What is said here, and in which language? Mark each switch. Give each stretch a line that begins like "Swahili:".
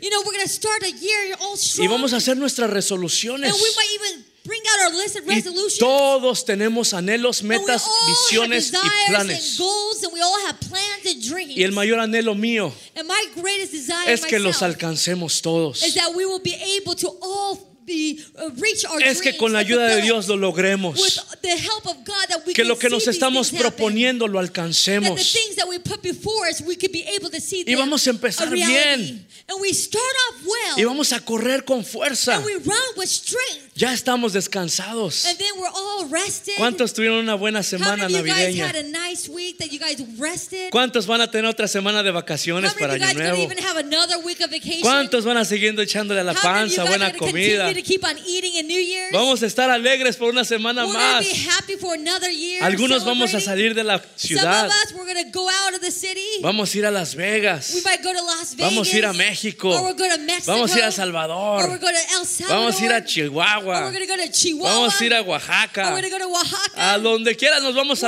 English: You know, we're going to start a year all strong.
Spanish: Y vamos a hacer nuestras resoluciones.
English: And we might even bring out our list of resolutions.
Spanish: Y todos tenemos anhelos, metas, visiones y planes.
English: And goals, and we all have plans and dreams.
Spanish: Y el mayor anhelo mío
English: and my greatest desire
Spanish: es que los alcancemos todos.
English: Is that we will be able to all reach our
Spanish: es que con la ayuda de Dios lo logremos.
English: With the help of God that we
Spanish: que lo que nos estamos proponiendo
English: happen,
Spanish: lo alcancemos.
English: That the things that we put before us, we could be able to see.
Spanish: Y vamos a empezar a bien.
English: And we start off well.
Spanish: Y vamos a correr con fuerza.
English: And we run with strength.
Spanish: Ya estamos descansados.
English: And then we're all rested.
Spanish: ¿Cuántos tuvieron una buena semana
English: how many
Spanish: navideña?
English: Guys had a nice week that you guys rested?
Spanish: ¿Cuántos van a tener otra semana de vacaciones para año nuevo?
English: How many of you guys even have another week of vacation?
Spanish: ¿Cuántos van a seguir echándole a la panza buena comida?
English: To keep on eating in New Year's?
Spanish: Vamos a estar alegres por una semana más.
English: We'll be happy for another year.
Spanish: Algunos vamos a salir de la ciudad.
English: Some of us, we're going to go out of the city.
Spanish: Vamos a ir a Las Vegas.
English: We might go to Las Vegas.
Spanish: Vamos a ir a México.
English: Or we'll go to Mexico.
Spanish: Vamos a ir a Salvador.
English: Or we'll go to El Salvador.
Spanish: Vamos a ir a Chihuahua.
English: Or we're going to go to Chihuahua.
Spanish: Vamos a ir a Oaxaca.
English: Or we're going to go to Oaxaca.
Spanish: A donde quiera nos vamos a